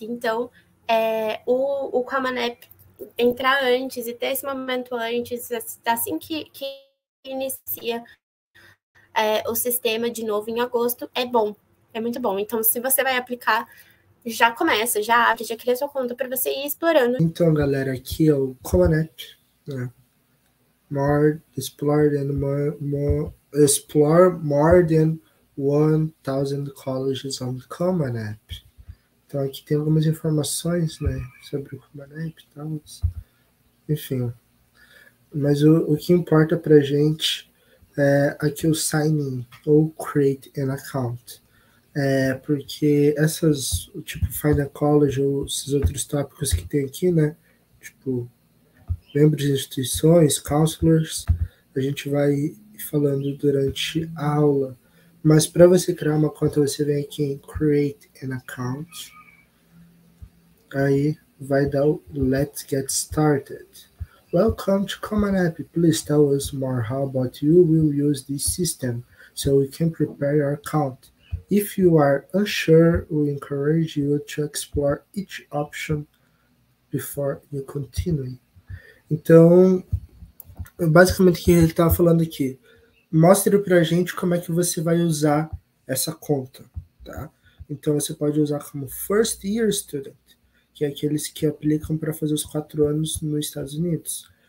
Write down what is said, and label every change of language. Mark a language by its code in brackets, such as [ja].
[pt] Então, o Common App entrar antes e ter esse momento antes, assim que inicia, o sistema de novo em agosto, é bom. É muito bom. Então, se você vai aplicar, já começa, já abre, já cria sua conta para você ir explorando. Então, galera, aqui é o Common App, né? [en] More, explore more than 1,000 colleges on the Common App. [pt] Então, aqui tem algumas informações, né, sobre o Common App e tal. Enfim. Mas o que importa pra gente é aqui o sign in ou create an account. É porque essas, tipo, Find a College ou esses outros tópicos que tem aqui, né? Tipo, membros de instituições, counselors, a gente vai falando durante a aula. Mas para você criar uma conta, você vem aqui em Create an Account. Aí vai dar o [en] Let's Get Started. Welcome to Common App. Please tell us more how about you will use this system so we can prepare your account. If you are unsure, we encourage you to explore each option before you continue. [pt] Então, basicamente o que ele está falando aqui. Mostre para a gente como é que você vai usar essa conta, tá? Então, você pode usar como First Year Student, que é aqueles que aplicam para fazer os 4 anos nos Estados Unidos.